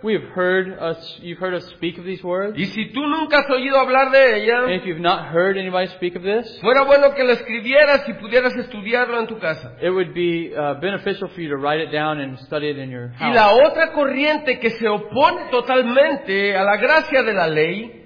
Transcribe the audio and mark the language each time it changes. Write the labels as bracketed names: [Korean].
[English] We've heard us, you've heard us speak of these words. [Spanish] Y si tú nunca has oído hablar de ellas, [English] and if you've not heard anybody speak of this, [Spanish] fuera bueno que lo escribieras y pudieras estudiarlo en tu casa. [English] It would be beneficial for you to write it down and study it in your house. [Spanish] Y la otra corriente que se opone totalmente a la gracia de la ley